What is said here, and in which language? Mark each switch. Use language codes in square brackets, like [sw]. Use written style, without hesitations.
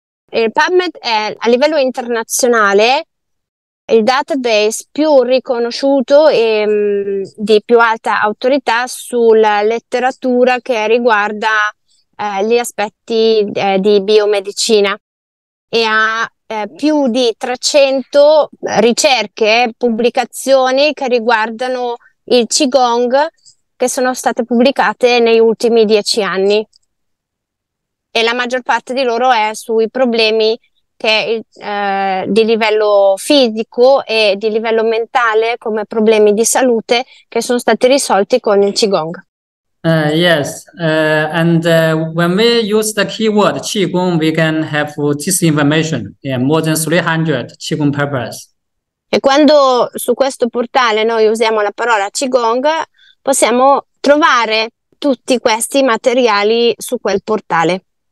[it] Il PubMed è a livello internazionale il database più riconosciuto e di più alta autorità sulla letteratura che riguarda gli aspetti di biomedicina e ha più di 300 ricerche, pubblicazioni che riguardano il Qigong che sono state pubblicate negli ultimi 10 anni e la maggior parte di loro è sui problemi di livello fisico e di livello mentale come problemi di salute che sono stati risolti con il Qigong. [en] Yes, and when we use the keyword Qigong, we can have this information. Yeah, more than 300 Qigong papers. [it] E quando su questo portale noi usiamo la parola Qigong, possiamo trovare tutti questi materiali su quel portale.